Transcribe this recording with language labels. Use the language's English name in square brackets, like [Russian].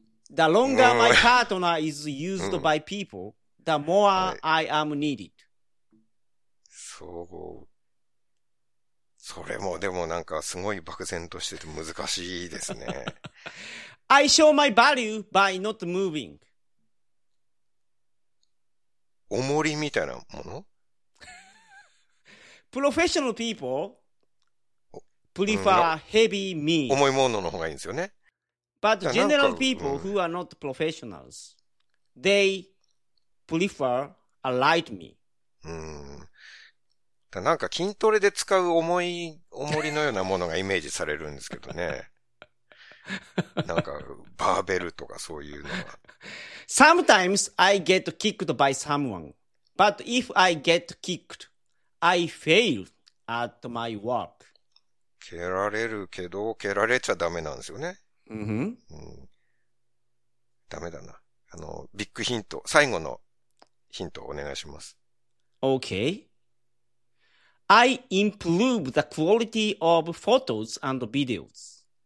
[English] The longer my partner is used by people, the more I am needed. [Japanese] そう。それもでもなんかすごい漠然としてて難しいですね。 [English] I show my value by not moving. [Japanese] 重りみたいなもの？ [English] Professional people prefer heavy means. [Japanese] 重いものの方がいいんですよね。 [English] But general people who are not professionals, they prefer a light me. [Japanese] だなんか筋トレで使う重りのようなものがイメージされるんですけどね。なんかバーベルとかそういうのは。 [English] Sometimes I get kicked by someone. But if I get kicked, I fail at my work. [Japanese] 蹴られるけど、蹴られちゃダメなんですよね。 Mm-hmm. うん、ダメだな。あの、ビッグヒント、最後のヒントお願いします。 [English] Okay. I improve the quality of photos and videos.